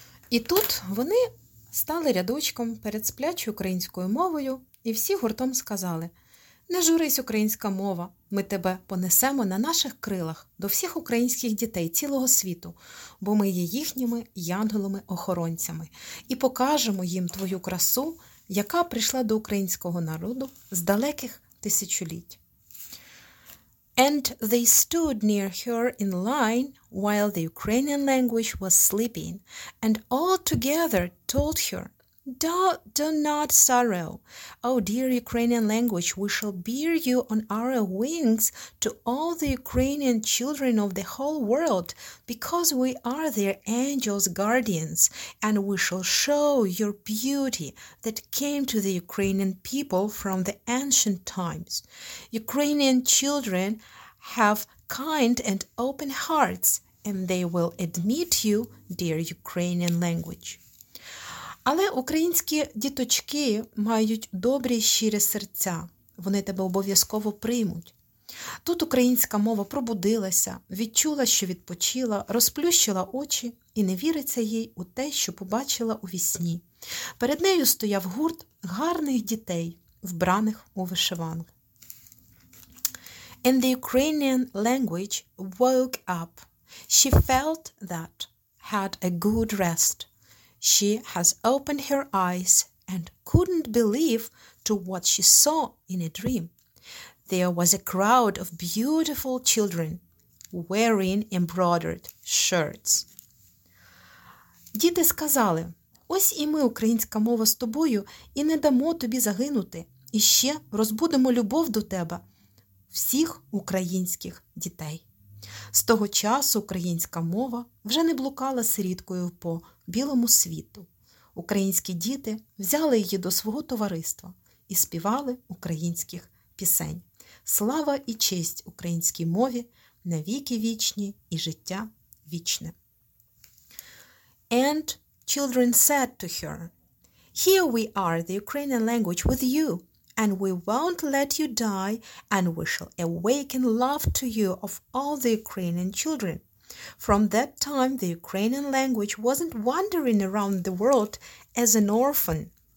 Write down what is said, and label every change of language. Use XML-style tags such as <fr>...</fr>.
<uk>І тут вони стали рядочком перед сплячою українською мовою і всі гуртом сказали: «Не журись, українська мова, ми тебе понесемо на наших крилах до всіх українських дітей цілого світу, бо ми є їхніми янголами-охоронцями, і покажемо їм твою красу, яка прийшла до українського народу з далеких тисячоліть».</uk> <en>And they stood near her in line while the Ukrainian language was sleeping, and all together told her, do not sorrow. Oh, dear Ukrainian language, we shall bear you on our wings to all the Ukrainian children of the whole world, because we are their angels' guardians, and we shall show your beauty that came to the Ukrainian people from the ancient times. Ukrainian children have kind and open hearts, and they will admit you, dear Ukrainian language.</en> <uk>Але українські діточки мають добрі і щирі серця. Вони тебе обов'язково приймуть. Тут українська мова пробудилася, відчула, що відпочила, розплющила очі і не віриться їй у те, що побачила у вісні. Перед нею стояв гурт гарних дітей, вбраних у вишиванку.</uk> <en>And the Ukrainian language woke up. She felt that had a good rest. She has opened her eyes and couldn't believe to what she saw in a dream. There was a crowd of beautiful children wearing embroidered shirts.</en> <uk>Діти сказали, ось і ми, українська мова, з тобою, і не дамо тобі загинути, і ще розбудемо любов до тебе, всіх українських дітей. З того часу українська мова вже не блукала сиріткою по білому світу. Українські діти взяли її до свого товариства і співали українських пісень. Слава і честь українській мові на віки вічні і життя вічне.</uk> <en>And children said to her, "Here we are, the Ukrainian language with you, and we won't let you die, and we shall awaken love to you of all the Ukrainian children." From that time, the Ukrainian language wasn't wandering around the world as an orphan.</en>